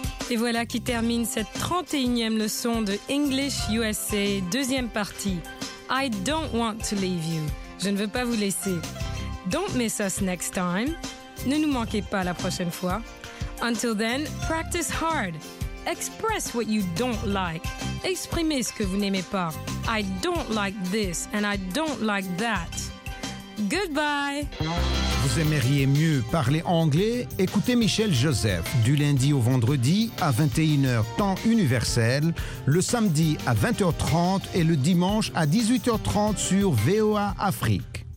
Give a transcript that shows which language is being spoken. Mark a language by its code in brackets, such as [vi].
[fr] Et voilà qui termine cette 31e leçon de English USA, deuxième partie. [en] I don't want to leave you. [fr] Je ne veux pas vous laisser. [en] Don't miss us next time. [fr] Ne nous manquez pas la prochaine fois. [en] Until then, practice hard. Express what you don't like. [fr] Exprimez ce que vous n'aimez pas. [en] I don't like this and I don't like that. Goodbye. [fr] Vous aimeriez mieux parler anglais? Écoutez Michel Joseph du lundi au vendredi à 21h temps universel, le samedi à 20h30 et le dimanche à 18h30 sur VOA Afrique.